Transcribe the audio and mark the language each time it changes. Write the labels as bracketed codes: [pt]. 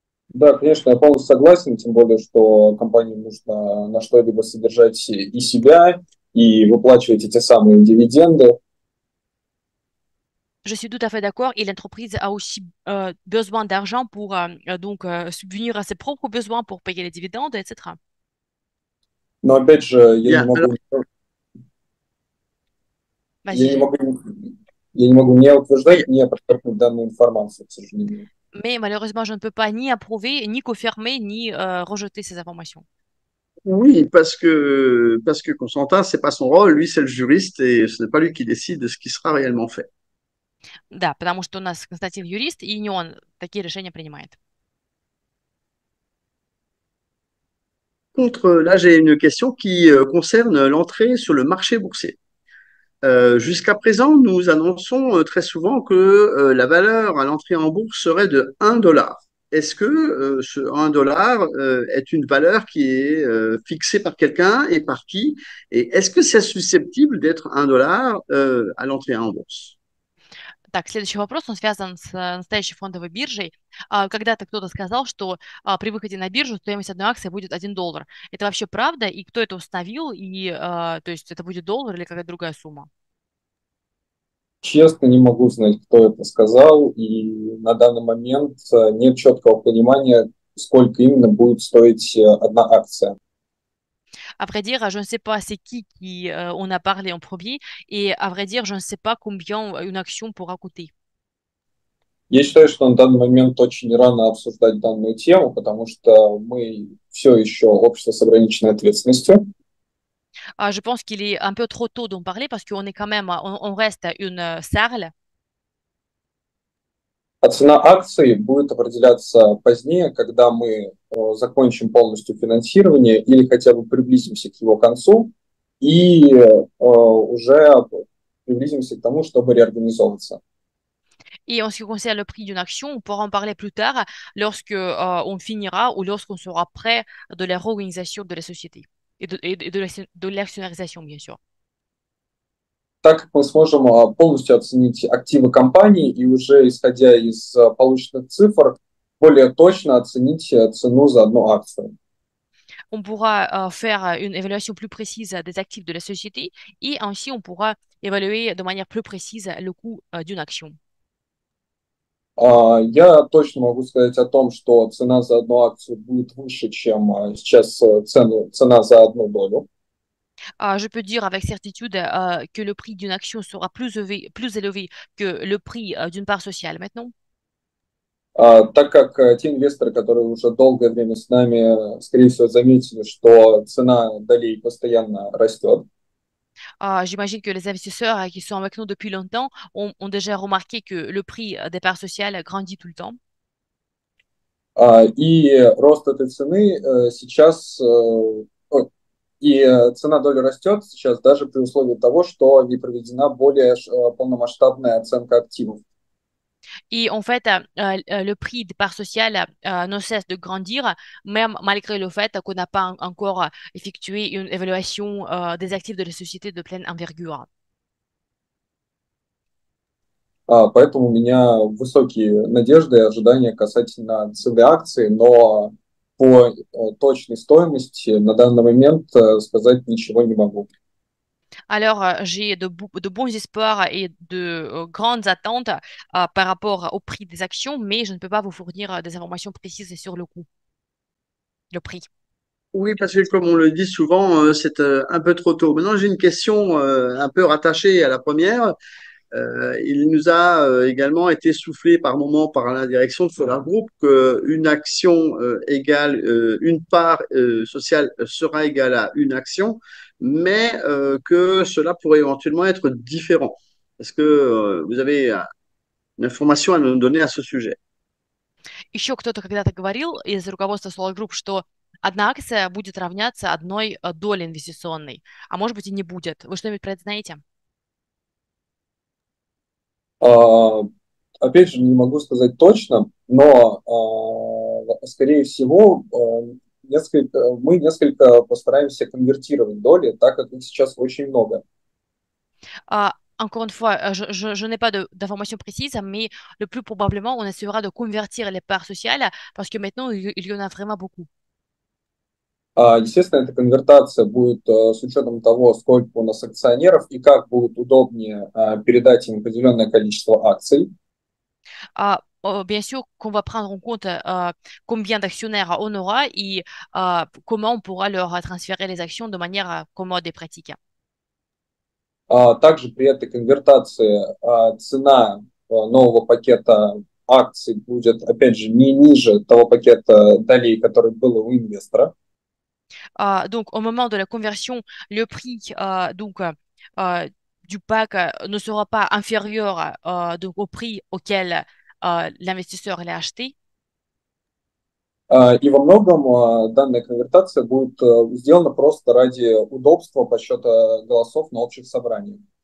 [ru] Да, конечно, я полностью согласен, тем более, что компании нужно на что-либо содержать и себя, и выплачивать эти самые дивиденды. [fr] Je suis tout à fait d'accord, et l'entreprise a aussi besoin d'argent pour subvenir à ses propres besoins pour payer les dividendes, etc. [ru] Но опять же, [fr] Bien, alors. Vas-y. [ru] я не могу ни утверждать, ни опровергнуть данную информацию, к сожалению. [fr] Mais malheureusement, je ne peux pas ni approuver, ni confirmer, ni rejeter ces informations. Oui, parce que Constantin, c'est pas son rôle, lui c'est le juriste et ce n'est pas lui qui décide de ce qui sera réellement fait. [ru] Да, потому что у нас Константин юрист, и не он такие решения принимает. [fr] Contre, là j'ai une question qui concerne l'entrée sur le marché boursier. Jusqu'à présent, nous annonçons très souvent que la valeur à l'entrée en bourse serait de 1 dollar. Est-ce que ce 1 dollar est une valeur qui est fixée par quelqu'un et par qui? Et est-ce que c'est susceptible d'être 1 dollar à l'entrée en bourse? [ru] Так, следующий вопрос, он связан с настоящей фондовой биржей. Когда-то кто-то сказал, что при выходе на биржу стоимость одной акции будет 1 доллар. Это вообще правда? И кто это установил? То есть это будет доллар или какая-то другая сумма? Честно, не могу знать, кто это сказал, и на данный момент нет четкого понимания, сколько именно будет стоить одна акция. [fr] À vrai dire, je ne sais pas c'est qui on a parlé en premier, et à vrai dire, je ne sais pas combien une action pourra coûter. [ru] Я считаю, что на данный момент очень рано обсуждать данную тему, потому что мы все еще общество с ограниченной ответственностью. [fr] Je pense qu'il est un peu trop tôt d'en parler parce qu'on est quand même, on reste une salle. [ru] Цена акций будет определяться позднее, когда мы закончим полностью финансирование или хотя бы приблизимся к его концу и уже приблизимся к тому, чтобы реорганизовываться. [fr] Et en ce qui concerne le prix d'une action, on pourra en parler plus tard lorsque on finira ou lorsqu'on sera prêt de la réorganisation de la société et de l'actionnarisation, bien sûr. [ru] Так мы сможем полностью оценить активы компании и уже исходя из полученных цифр, более точно оценить цену за одну акцию. [fr] On pourra faire une évaluation plus précise des actifs de la société et ainsi on pourra évaluer de manière plus précise le coût d'une action. [ru] Я точно могу сказать о том, что цена за одну акцию будет выше, чем сейчас цена за одну долю. [fr] Je peux dire avec certitude que le prix d'une action sera plus élevé que le prix d'une part sociale maintenant. [ru] Так как те инвесторы, которые уже долгое время с нами, скорее всего, заметили, что цена долей постоянно растет. [fr] J'imagine que les investisseurs qui sont avec nous depuis longtemps ont déjà remarqué que le prix des parts sociales grandit tout le temps. [ru] И рост этой цены сейчас, и цена доли растет сейчас даже при условии того, что не проведена более полномасштабная оценка активов. [fr] Et en fait, le prix des parts sociales ne cesse de grandir, même malgré le fait qu'on n'a pas encore effectué une évaluation des actifs de la société de pleine envergure. [ru] Поэтому у меня высокие надежды и ожидания касательно цены акции, но по точной стоимости на данный момент сказать ничего не могу. [fr] Alors, j'ai de bons espoirs et de grandes attentes par rapport au prix des actions, mais je ne peux pas vous fournir des informations précises sur le coût, le prix. Oui, parce que comme on le dit souvent, c'est un peu trop tôt. Maintenant, j'ai une question un peu rattachée à la première. Il nous a également été soufflé par moment par la direction de Solar Group que une action égale une part sociale sera égale à une action, mais que cela pourrait éventuellement être différent. Est-ce que vous avez une information à nous donner à ce sujet? [ru] Еще кто-то когда-то говорил из руководства Solar Group, что одна акция будет равняться одной доле инвестиционной, а может быть и не будет. Вы что-нибудь про это знаете? Опять же, не могу сказать точно, но, скорее всего, мы несколько постараемся конвертировать доли, так как их сейчас очень много. [fr] Encore une fois, je n'ai пas d'informations précises, mais le plus probablement, on essaiera de convertir les parts sociales parce que maintenant, il y en a vraiment beaucoup. [ru] Естественно, эта конвертация будет с учетом того, сколько у нас акционеров и как будет удобнее передать им определенное количество акций. [fr] Bien sûr qu'on va prendre en compte combien d'actionnaires on aura et comment on pourra leur transférer les actions de manière commode et pratique. [ru] Также при этой конвертации цена нового пакета акций будет, опять же, не ниже того пакета долей, который был у инвестора. [fr] Donc, au moment de la conversion, le prix du pack ne sera pas inférieur donc, au prix auquel l'investisseur l'a acheté. [ru] И во многом данная конвертация будет сделана просто ради удобства подсчета голосов на общих собраниях.